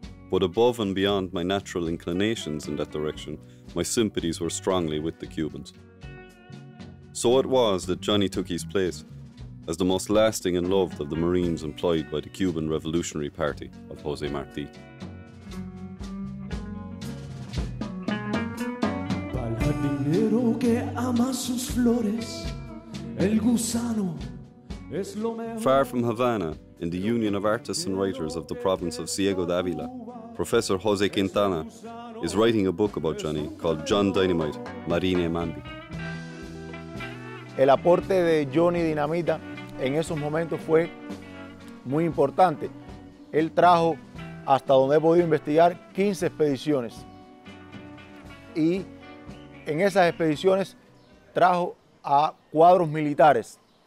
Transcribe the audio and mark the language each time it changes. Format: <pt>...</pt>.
<en>But above and beyond my natural inclinations in that direction, my sympathies were strongly with the Cubans." So it was that Johnny took his place as the most lasting and loved of the Marines employed by the Cuban Revolutionary Party of José Martí.</en> <es>Para el jardinero que ama sus flores, el gusano es lo mejor.</es> <en>Far from Havana, in the Union of Artists and Writers of the province of Ciego de Ávila, Professor José Quintana is writing a book about Johnny called John Dynamite, Marine Mambi.</en> <es>El aporte de Johnny Dinamita en esos momentos fue muy importante. Él trajo, hasta donde he podido investigar, 15 expediciones. Y en esas expediciones trajo a cuadros militares.</es>